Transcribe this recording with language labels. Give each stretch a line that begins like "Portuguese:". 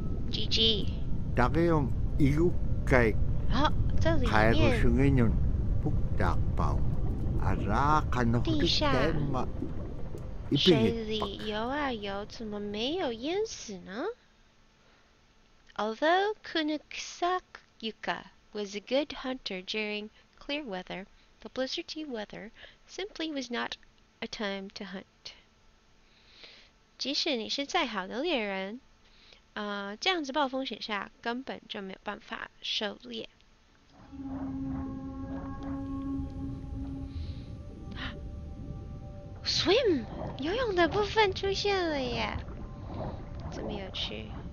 Chinese: GG. 大概用一个盖。好，这里面。还有什么用？不打包，啊，拉开那个盖嘛。水里游啊游，怎么没有淹死呢？
English: Although Kunuksak Yuka was a good hunter during clear weather, the blizzardy weather simply was not a time to hunt.
Chinese: 即使你是再好的猎人，这样子暴风雪下根本就没有办法狩猎。
English: Swim!
Chinese: 游泳的部分出现了耶，这么有趣。